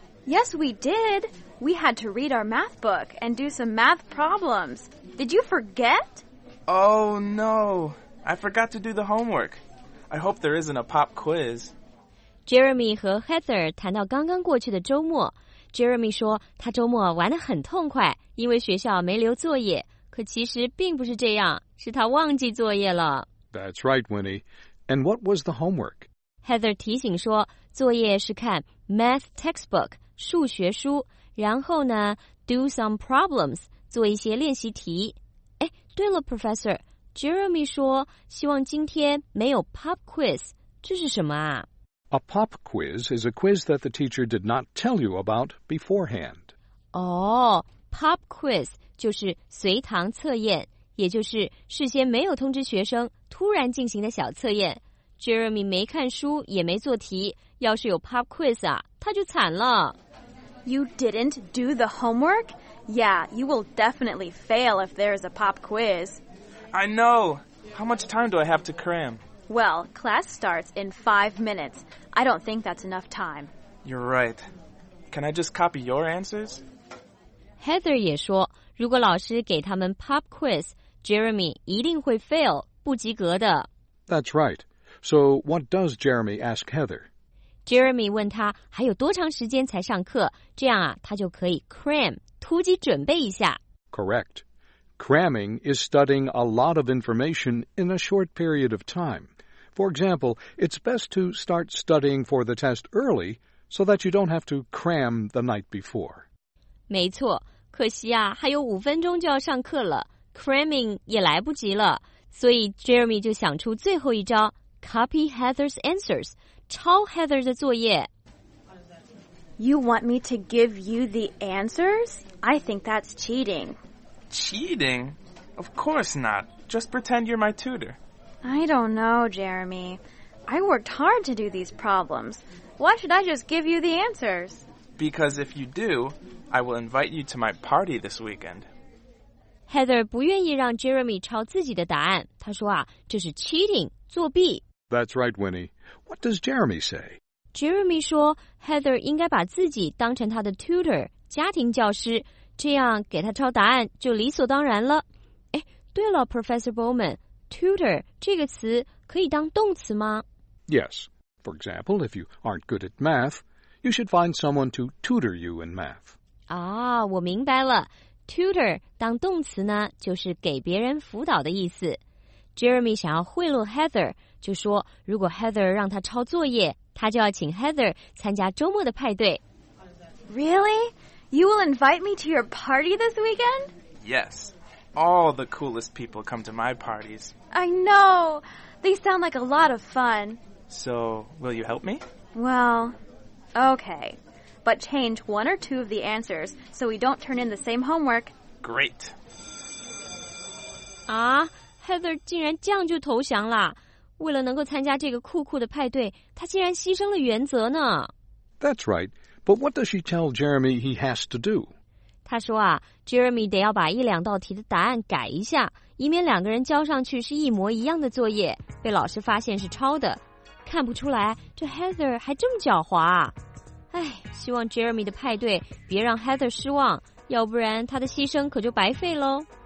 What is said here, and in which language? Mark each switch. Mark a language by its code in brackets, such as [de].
[en] Yes, we did. We had to read our math book and do some math problems. Did you forget? Oh, no. I forgot to do the homework. I hope there isn't a pop quiz. [zh] Jeremy 和 Heather 谈到刚刚过去的周末。Jeremy 说他周末玩得很痛快，因为学校没留作业。可其实并不是这样，是他忘记作业了。 [en] That's right, Winnie. And what was the homework? [zh] Heather 提醒说，作业是看 math textbook, 数学书，然后呢 [en] do some problems, [zh] 做一些练习题。哎，对了 Professor,Jeremy 说希望今天没有 pop quiz, 这是什么啊？ [en] A pop quiz is a quiz that the teacher did not tell you about beforehand. [zh] 哦、pop quiz 就是随堂测验，也就是事先没有通知学生突然进行的小测验。 Jeremy 没看书也没做题，要是有 pop quiz 啊，他就惨了。 [en] You didn't do the homework? Yeah, you will definitely fail if there is a pop quiz. I know. How much time do I have to cram? Well, class starts in 5 minutes. I don't think that's enough time. You're right. Can I just copy your answers? [zh] Heather 也说，如果老师给他们 pop quiz, Jeremy 一定会 fail, 不及格的。 [en] That's right. So what does Jeremy ask Heather? [zh] Jeremy 问他还有多长时间才上课，这样啊，他就可以 cram, 突击准备一下。 [en] Correct. Cramming is studying a lot of information in a short period of time. For example, it's best to start studying for the test early so that you don't have to cram the night before. [zh] 没错，可惜啊，还有五分钟就要上课了 ，cramming 也来不及了。所以 Jeremy 就想出最后一招 ， [en] copy Heather's answers， [zh] 抄 Heather 的作业。 [en] You want me to give you the answers? I think that's cheating. Cheating? Of course not. Just pretend you're my tutor. I don't know, Jeremy. I worked hard to do these problems. Why should I just give you the answers? Because if you do, I will invite you to my party this weekend. [zh] Heather 不愿意让 Jeremy 抄自己的答案。她说啊，这是 cheating, 作弊。 [en] That's right, Winnie. What does Jeremy say? [zh] Jeremy 说 Heather 应该把自己当成他的 tutor, 家庭教师，这样给他抄答案就理所当然了。哎，对了 ,Professor Bowman, tutor 这个词可以当动词吗 [en] ?Yes. For example, if you aren't good at math, you should find someone to tutor you in math. [zh] 啊，我明白了。 Tutor 当动词呢，就是给别人辅导的意思。 Jeremy 想要贿赂 Heather, 就说如果 Heather 让他抄作业，他就要请 Heather 参加周末的派对。 [en] Really? You will invite me to your party this weekend? Yes. All the coolest people come to my parties. I know. They sound like a lot of fun. So, will you help me? Well, okay. But change one or two of the answers so we don't turn in the same homework. Great. [zh] Ah, Heather 竟然降就投降了。为了能够参加这个酷酷的派对，他竟然牺牲了原则呢。 [en] That's right. But what does she tell Jeremy he has to do? [zh] 他说啊 ，Jeremy 得要把一两道题的答案改一下，以免两个人交上去是一模一样的作业，被老师发现是抄的。看不出来，这 Heather 还这么狡猾。哎，希望 Jeremy 的派对别让 Heather 失望，要不然他的牺牲可就白费喽。